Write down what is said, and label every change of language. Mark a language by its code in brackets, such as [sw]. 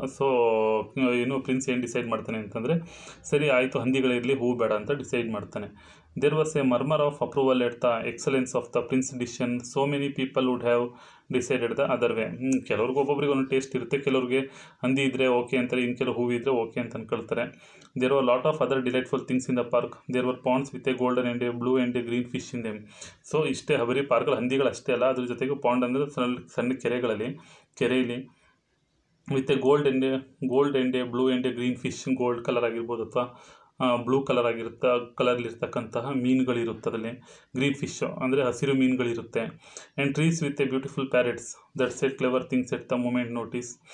[kn] So ಏನು prince ಏನು decide ಮಾಡ್ತಾನೆ ಅಂತಂದರೆ, ಸರಿ ಆಯಿತು ಹಂದಿಗಳಿರಲಿ ಹೂ ಬೇಡ ಅಂತ ಡಿಸೈಡ್ ಮಾಡ್ತಾನೆ. [en] There was a murmur of approval at the excellence of the prince's decision. So many people would have decided the other way. [kn] ಕೆಲವ್ರಿಗೆ ಒಬ್ಬೊಬ್ರಿಗೆ ಒಂದು ಟೇಸ್ಟ್ ಇರುತ್ತೆ, ಕೆಲವ್ರಿಗೆ ಹಂದಿ ಇದ್ದರೆ ಓಕೆ ಅಂತಾರೆ, ಇನ್ನು ಕೆಲವು ಹೂವು ಇದ್ದರೆ ಓಕೆ ಅಂತ ಅಂದ್ಕೊಳ್ತಾರೆ. [en] There were a lot of other delightful things in the park. There were ponds with a golden and a blue and a green fish in them. [kn] So ಇಷ್ಟೇ ಬರೀ ಪಾರ್ಕಲ್ಲಿ ಹಂದಿಗಳು ಅಷ್ಟೇ ಅಲ್ಲ, ಅದ್ರ ಜೊತೆಗೆ ಪಾಂಡ್ ಅಂದರೆ ಸಣ್ಣ ಕೆರೆಗಳಲ್ಲಿ ಕೆರೆಯಲ್ಲಿ [en] with a gold and a blue and a green fish, [kn] gold colour ಆಗಿರ್ಬೋದು ಅಥವಾ ಬ್ಲೂ ಕಲರ್ ಆಗಿರುತ್ತೆ ಕಲರ್ಲಿರ್ತಕ್ಕಂತಹ ಮೀನುಗಳಿರುತ್ತೆ ಅದರಲ್ಲಿ. ಗ್ರೀನ್ ಫಿಶ್ ಅಂದರೆ ಹಸಿರು ಮೀನುಗಳಿರುತ್ತೆ. [en] And trees with a beautiful parrots that set clever things at the moment notice.